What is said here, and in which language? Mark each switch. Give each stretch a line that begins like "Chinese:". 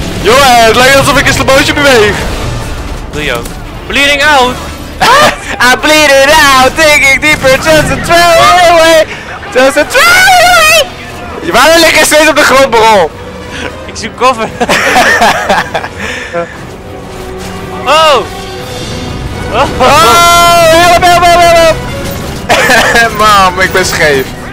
Dutch: Jongen, het lijkt alsof ik een slabootje beweeg. Doe je ook.
English: Bleeding out! I'm bleeding out, thinking deeper, just a throw away! Just a throw away!
Dutch: Waarom lig je steeds op de grond, bro? Ik zoek koffer. Oh!
English: Oh! Help, help, help, help!
Dutch: Mam, ik ben scheef.